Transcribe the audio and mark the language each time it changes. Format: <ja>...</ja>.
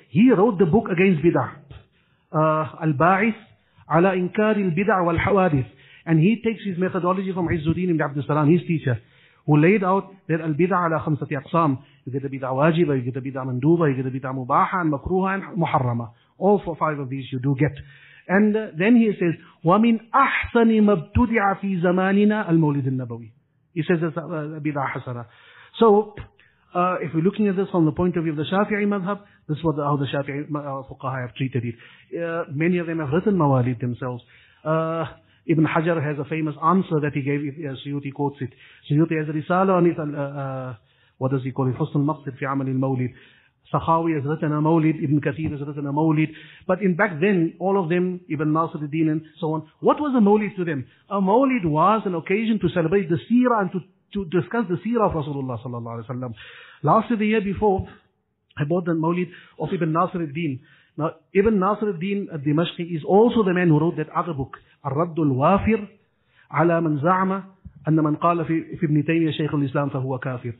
<en>He wrote the book against bid'ah. Al-Ba'ith ala inkari al-bid'ah wal-hawadith. And he takes his methodology from Izzuddin ibn Abd al-Salam, his teacher, who laid out that</en> <ar>al-bid'ah ala khamsati aqsam.</ar> <en>You get a bid'ah wajiba, you get a bid'ah manduba, you get a bid'ah mubaha, and makruha, and muharrama. All four, five of these you do get. And then he says,</en> <ar>وَمِنْ أَحْسَنِ مَبْتُدِعَ فِي زَمَانِنَا الْمَوْلِدِ النَّبَوِي.</ar> <en>He says that's a bid'ah hasana. So, if we're looking at this from the point of view of the Shafi'i madhab, this is what how the Shafi'i fuqaha have treated it. Many of them have written mawalid themselves. Ibn Hajar has a famous answer that he gave, Suyuti quotes it. Suyuti has a risala on it, what does he call it?</en> <ar>حُسْنُ الْمَقْصِدِ فِي عَمَلِ الْمَوْلِدِ.</ar> <en>Sakhawi has written a mawlid, Ibn Kathir has written a mawlid. But in back then, all of them, Ibn Nasir al-Din and so on, what was a mawlid to them? A mawlid was an occasion to celebrate the seerah and to discuss the seerah of Rasulullah sallallahu alayhi wa sallam. Last year, the year before, I bought the mawlid of Ibn Nasir al-Din. Now, Ibn Nasir al-Din al-Dimashqi is also the man who wrote that other book, Ar-Radd al-Wafir ala man za'ama.</en> <ar>أن من قال في ابن تيمية شيخ الإسلام فهو كافر.</ar>